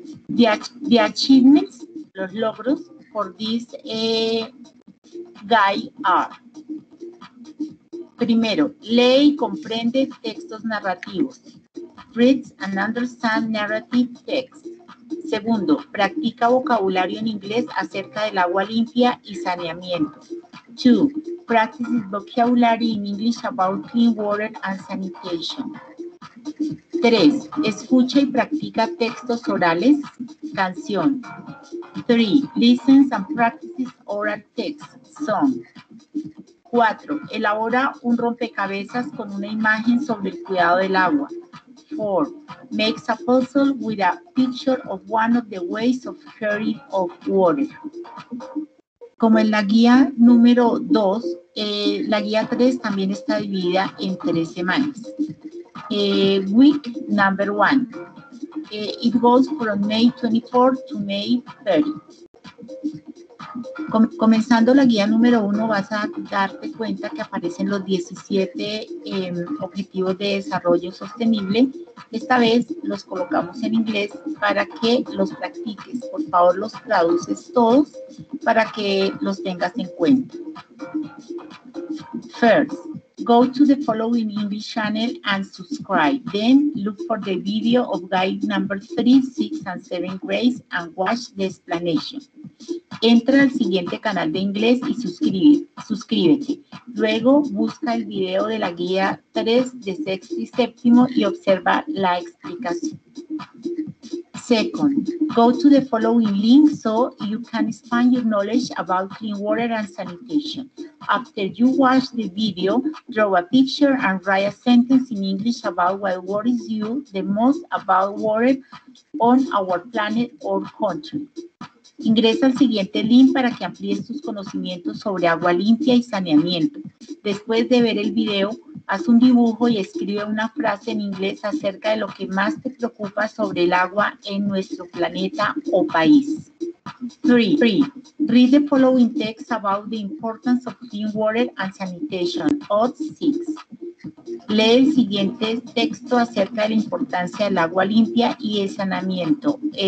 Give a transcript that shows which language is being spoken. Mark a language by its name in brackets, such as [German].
[English] The achievements, [Spanish] los logros [English] for this guide are. [Spanish] Primero, lee y comprende textos narrativos. [English] Read and understand narrative text. [Spanish] Segundo, practica vocabulario en inglés acerca del agua limpia y saneamiento. 2. [English] Practice vocabulary in English about clean water and sanitation. [Spanish] 3. Escucha y practica textos orales, canción. 3. [English] Listen and practice oral text, song. 4. [Spanish] Elabora un rompecabezas con una imagen sobre el cuidado del agua. 4. [English] Make a puzzle with a picture of one of the ways of caring of water. [Spanish] Como en la guía número 2, la guía 3 también está dividida en 3 semanas. [English] Week number 1. It goes from May 24 to May 30. [Spanish] Comenzando la guía número 1, vas a darte cuenta que aparecen los 17 objetivos de desarrollo sostenible. Esta vez los colocamos en inglés para que los practiques. Por favor, los traduces todos para que los tengas en cuenta. [English] First, go to the following English channel and subscribe. Then, look for the video of guide number 3, 6 and 7 grades and watch the explanation. [Spanish] Entra al siguiente canal de inglés y suscríbete. Luego busca el video de la guía 3 de sexto y séptimo y observa la explicación. [English] Second, go to the following link so you can expand your knowledge about clean water and sanitation. After you watch the video, draw a picture and write a sentence in English about what worries you the most about water on our planet or country. [Spanish] Ingresa al siguiente link para que amplíes tus conocimientos sobre agua limpia y saneamiento. Después de ver el video, haz un dibujo y escribe una frase en inglés acerca de lo que más te preocupa sobre el agua en nuestro planeta o país. 3. [English] Read the following text about the importance of clean water and sanitation. Odd 6. [Spanish] Lee el siguiente texto acerca de la importancia del agua limpia y el saneamiento.